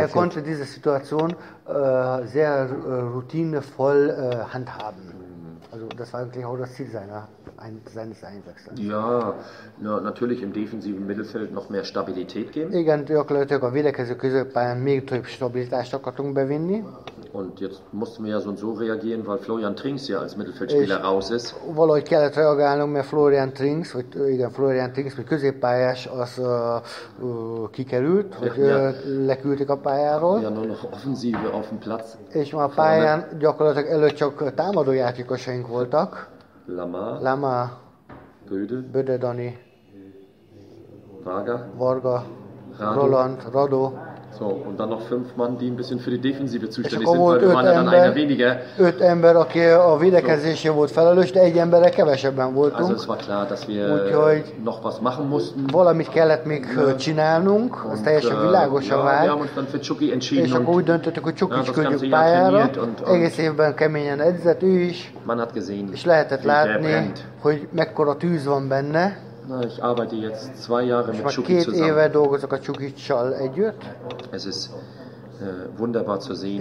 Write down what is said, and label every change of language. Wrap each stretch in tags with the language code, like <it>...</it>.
<de>Er konnte diese Situation sehr routinevoll handhaben. Also das war eigentlich auch das Ziel seines Einsatzes. Ja, na, natürlich im defensiven Mittelfeld noch mehr Stabilität geben.</de> <hu>Igen, gyakorlatilag a védekező középpályán még több stabilitást akartunk bevinni.</hu> <de>Und jetzt mussten wir ja so und so reagieren, weil Florian Trinks ja als Mittelfeldspieler raus ist.</de> <hu>Valahogy kellett reagálnunk, mert Florian Trinks, vagy igen, Florian Trinks, mert középpályás, az kikerült, hogy leküldték a pályáról.</hu> <de>Ja, nur noch offensive auf dem Platz.</de> <hu>És már a pályán gyakorlatilag előtt csak támadó játékosaink voltak. Lama. Böde Dani. Varga. Roland. Rado.</hu> <de>So, und dann noch 5 Mann, die ein bisschen für die Defensive zuständig sind, weil wir waren ja dann einer weniger.</de> <hu>5 Ember, aki a védekezésé volt felelős, de egy emberre kevesebben voltunk.</hu> <de>Also es war klar, dass wir úgyhogy noch was machen mussten.</de> <hu>Valamit kellett még csinálnunk, az teljesen világosan vált.</hu> <de>Ja, wir haben uns dann für Csuki entschieden.</de> <hu>És akkor úgy döntöttük, hogy Csukit küldjük pályára. Egész évben keményen edzett ő is.</hu> <de>Man hat gesehen,</de> <hu>és lehetett látni, hogy mekkora tűz van benne.</hu> <de>Na, ich arbeite jetzt 2 Jahre mit Csuki zusammen. Ich habe 2 Jahre</de> <hu>dolgozok a Csukicsal együtt.</hu> <de>Es ist wunderbar zu sehen,</de>